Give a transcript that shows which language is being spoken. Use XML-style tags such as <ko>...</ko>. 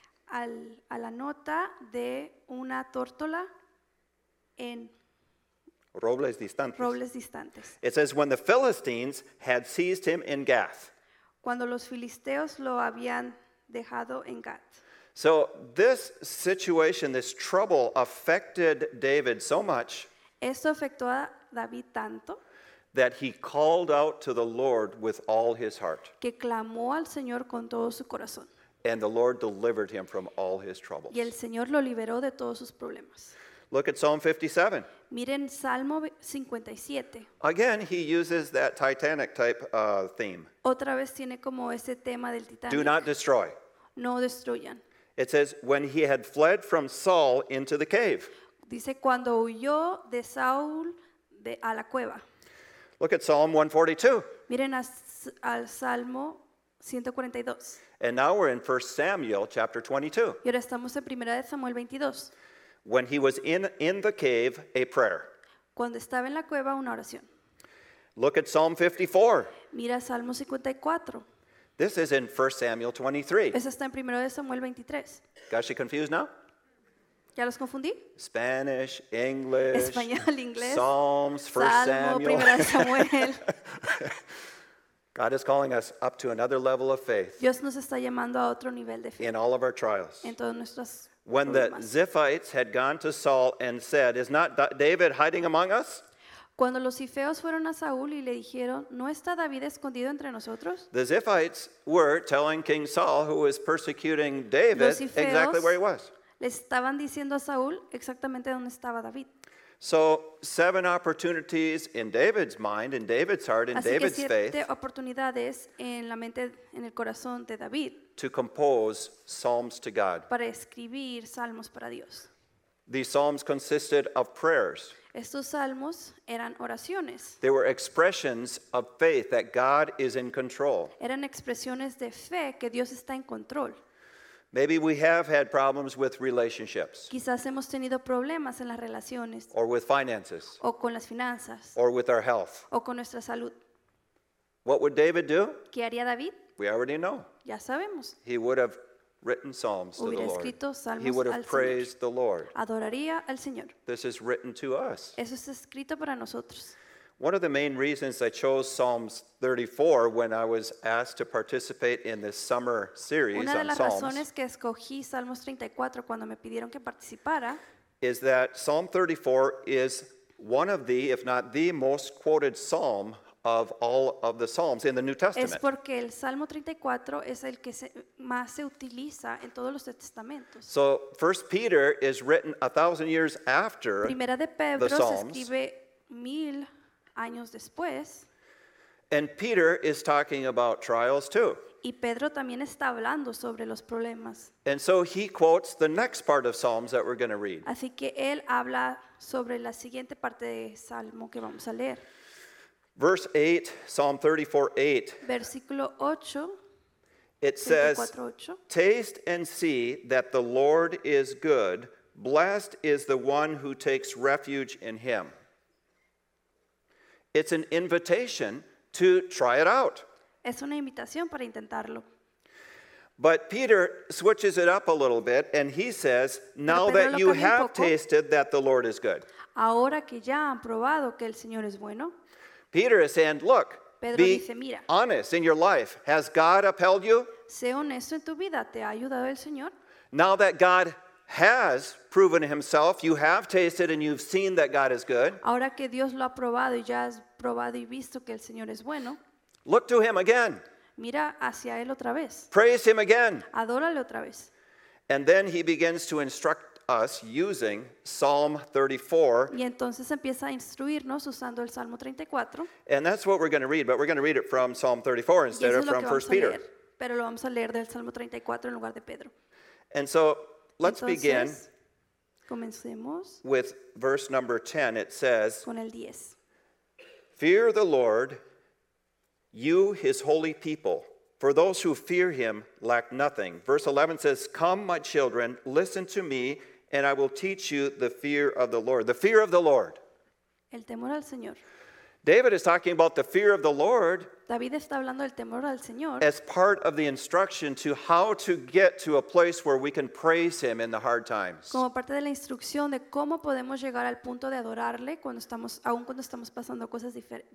<es>A la nota de una tórtola en robles distantes. Robles distantes.</es> <en>It says, when the Philistines had seized him in Gath.</en> <es>Cuando los filisteos lo habían dejado en Gath.</es> <en>So this situation, this trouble affected David so much.</en> <es>Esto afectó a David tanto.</es> <en>That he called out to the Lord with all his heart.</en> <es>Que clamó al Señor con todo su corazón.</es> <en>And the Lord delivered him from all his troubles.</en> <es>Y el Señor lo liberó de todos sus problemas.</es> <en>Look at Psalm 57.</en> <es>Miren Salmo 57.</es> <en>Again, he uses that Titanic type theme.</en> <es>Otra vez tiene como ese tema del Titanic.</es> <en>Do not destroy.</en> <es>No destruyan.</es> <en>It says, when he had fled from Saul into the cave.</en> <es>Dice cuando huyó de Saúl a la cueva.</es> <en>Look at Psalm 142.</en> <es>Miren al Salmo 142.</es> <en>And now we're in 1 Samuel chapter 22.</en> <es>Y ahora estamos en Primera de Samuel 22.</es> <en>When he was in the cave, a prayer.</en> <es>Cuando estaba en la cueva, una oración.</es> <en>Look at Psalm 54.</en> <es>Mira Salmo 54.</es> <en>This is in 1 Samuel 23.</en> <es>Eso está en Primero de Samuel 23.</es> <en>Got you confused now?</en> <es>¿Ya los confundí?</es> <en>Spanish, English.</en> <es>Español, inglés.</es> <en>Psalms, 1 Samuel. God is calling us up to another level of faith.</en> <es>Dios nos está llamando a otro nivel de fe.</es> <en>In all of our trials.</en> <es>En todos nuestros.</es> <en>When the Ziphites had gone to Saul and said, is not David hiding among us?</en> <es>Cuando los zifeos fueron a Saúl y le dijeron, ¿no está David escondido entre nosotros?</es> <en>The Ziphites were telling King Saul, who was persecuting David, exactly where he was.</en> <es>Les estaban diciendo a Saúl exactamente dónde estaba David.</es> <en>So, seven opportunities in David's mind, in David's heart, in</en> <es>así</es> <en>David's</en> <es>que siete</es> <en>faith</en> <es>oportunidades en la mente, en el corazón de David</es> <en>to compose psalms to God.</en> <es>Para escribir salmos para Dios.</es> <en>These psalms consisted of prayers.</en> <es>Estos salmos eran oraciones.</es> <en>They were expressions of faith that God is in control.</en> <es>Eran expresiones de fe que Dios está en control.</es> <en>Maybe we have had problems with relationships.</en> <es>Quizás hemos tenido problemas en las relaciones.</es> <en>Or with finances.</en> <es>O con las finanzas.</es> <en>Or with our health.</en> <es>O con nuestra salud.</es> <en>What would David do?</en> <es>¿Qué haría David?</es> <en>We already know.</en> <es>Ya sabemos.</es> <en>He would have written psalms</en> <es>hubiera</es> <en>to the</en> <es>escrito</es> <en>Lord.</en> <es>Salmos</es> <en>he would have</en> <es>al</es> <en>praised</en> <es>Señor.</es> <en>The Lord.</en> <es>Adoraría al Señor.</es> <en>This is written to us.</en> <es>Eso es escrito para nosotros.</es> <en>One of the main reasons I chose Psalms 34 when I was asked to participate in this summer series on Psalms.</en> <es>Una de las razones que escogí Salmos 34 cuando me pidieron que participara</es> <en>is that Psalm 34 is one of the, if not the most quoted psalm of all of the psalms in the New Testament.</en> <es>Es porque el Salmo 34 es el que más se utiliza en todos los testamentos.</es> <en>So 1 Peter is written 1,000 years after</en> <es>Primera de Pedro</es> <en>the Psalms.</en> <es>Se escribe 1,000 años después.</es> <en>And Peter is talking about trials too.</en> <es>Y Pedro también está hablando sobre los problemas.</es> <en>And so he quotes the next part of Psalms that we're going to read.</en> <es>Así que él habla sobre la siguiente parte de Salmo que vamos a leer.</es> <en>Verse 8, Psalm 34:8.</en> <es>Versículo 8.</es> <en>It says, taste and see that the Lord is good. Blessed is the one who takes refuge in him. It's an invitation to try it out.</en> <es>Es una invitación para intentarlo.</es> <en>But Peter switches it up a little bit and he says, now that you have tasted that the Lord is good.</en> <es>Ahora que ya han probado que el Señor es bueno.</es> <en>Peter is saying, look,</en> <es>Pedro</es> <en>be</en> <es>dice, mira,</es> <en>honest in your life. Has God upheld you?</en> <es>Sé honesto en tu vida. ¿Te ha ayudado el Señor?</es> <en>Now that God has proven himself, you have tasted and you've seen that God is good.</en> <es>Ahora que Dios lo ha probado y ya has probado y visto que el Señor es bueno.</es> <en>Look to him again.</en> <es>Mira hacia él otra vez.</es> <en>Praise him again.</en> <es>Adórale otra vez.</es> <en>And then he begins to instruct us using Psalm 34.</en> <es>Y entonces empieza a instruirnos usando el Salmo 34.</es> <en>And that's what we're going to read, but we're going to read it from Psalm 34 instead of from 1 Peter.</en> <es>Pero lo vamos a leer del Salmo 34 en lugar de Pedro.</es> <en>And so let's begin.</en> <es>Comencemos</es> <en>with verse number 10. It says,</en> <es>con el 10.</es> <en>Fear the Lord, you his holy people, for those who fear him lack nothing. Verse 11 says, come my children, listen to me, and I will teach you the fear of the Lord. The fear of the Lord.</en> <es>El temor al Señor.</es> <en>David is talking about the fear of the Lord.</en> <es>David está hablando del temor al Señor.</es> <en>As part of the instruction to how to get to a place where we can praise him in the hard times.</en> <es>Como parte de la instrucción de cómo podemos llegar al punto de adorarle cuando estamos aun cuando estamos pasando cosas difíciles.</es>